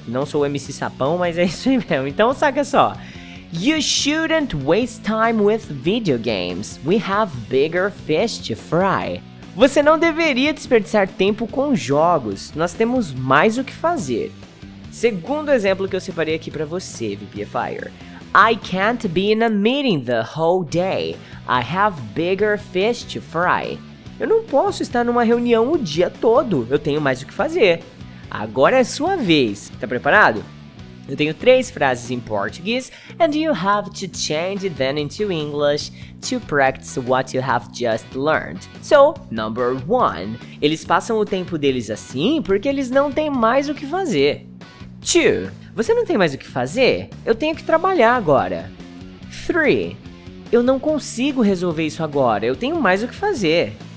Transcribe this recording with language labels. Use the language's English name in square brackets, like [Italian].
[Portuguese] Não sou o MC Sapão, mas é isso mesmo, então saca só. [English] You shouldn't waste time with video games. We have bigger fish to fry. [Portuguese] Você não deveria desperdiçar tempo com jogos. Nós temos mais o que fazer. Segundo exemplo que eu separei aqui pra você, VPFire. [English] I can't be in a meeting the whole day. I have bigger fish to fry. [Portuguese] Eu não posso estar numa reunião o dia todo. Eu tenho mais o que fazer. Agora é sua vez. Tá preparado? Eu tenho três frases em português [English] and you have to change them into English to practice what you have just learned. So, number one, [Portuguese] eles passam o tempo deles assim porque eles não têm mais o que fazer. Two, você não tem mais o que fazer? Eu tenho que trabalhar agora. Three, eu não consigo resolver isso agora, eu tenho mais o que fazer.